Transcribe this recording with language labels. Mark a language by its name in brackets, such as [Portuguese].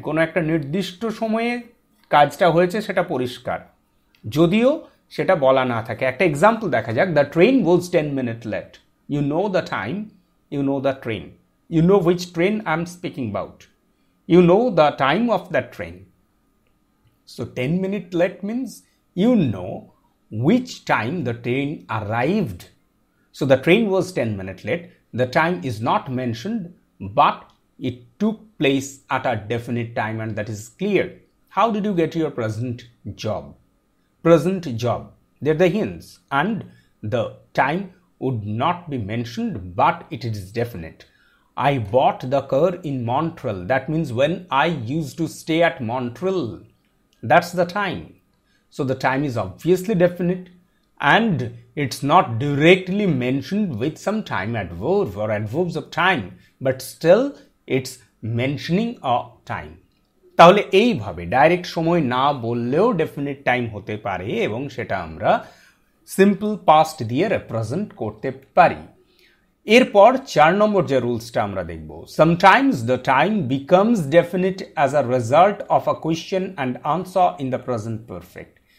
[Bangla] কোনো একটা নির্দিষ্ট সময়ে কাজটা হয়েছে সেটা পরিষ্কার, যদিও সেটা বলা না থাকে। একটা এক্সাম্পল দেখা যাক, [English] The train was 10 minute late. You know the time, you know the train, you know which train I am speaking about, you know the time of the train. So 10 minute late means you know which time the train arrived. So the train was 10 minutes late. The time is not mentioned, but it took place at a definite time, and that is clear. How did you get your present job? Present job. They're the hints, and the time would not be mentioned, but it is definite. I bought the car in Montreal. That means when I used to stay at Montreal. That's the time. So the time is obviously definite, and it's not directly mentioned with some time adverb or adverbs of time, but still it's mentioning a time. [Bangla] তাহলে এইভাবে direct সময় না বললেও definite time হতে পারে এবং সেটা আমরা সিম্পল পাস্ট দিয়ে রিপ্রেজেন্ট করতে পারি। এরপর চার নম্বর যে রুলসটা আমরা দেখব, [English] Sometimes the time becomes definite as a result of a question and answer in the present perfect.